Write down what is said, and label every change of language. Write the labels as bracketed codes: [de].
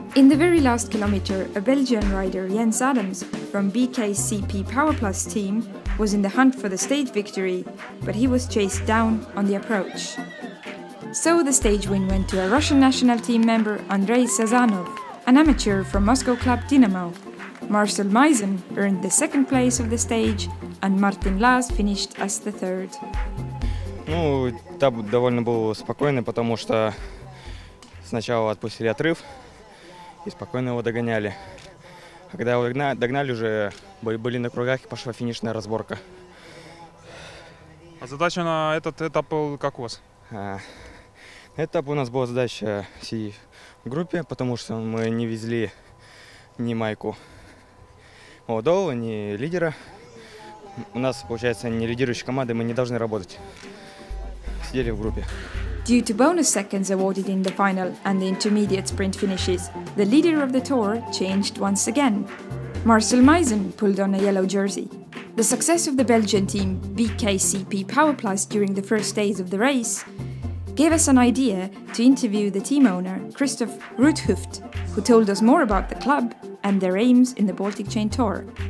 [en] In the very last kilometer, a Belgian rider, Jens Adams, from bkcp-powerplus team, was in the hunt for the stage victory, but he was chased down on the approach. So the stage win went to a Russian national team member, Andrei Sazanov, an amateur from Moscow Club Dynamo. Marcel Meisen earned the second place of the stage, and Martin Laas finished as the third. [ru] Ну, этап довольно был спокойный, потому что сначала отпустили отрыв и спокойно его догоняли. А когда его догнали, уже были на кругах и пошла финишная разборка. А задача на этот этап был как у вас? Этап у нас была задача всей группе, потому что мы не везли ни майку молодого, ни лидера. У нас, получается, не лидирующая команда, мы не должны работать. [en] Due to bonus seconds awarded in the final and the intermediate sprint finishes, the leader of the tour changed once again. Marcel Meisen pulled on a yellow jersey. The success of the Belgian team BKCP Powerplus during the first days of the race gave us an idea to interview the team owner Christoph Ruthhoeft, who told us more about the club and their aims in the Baltic Chain Tour.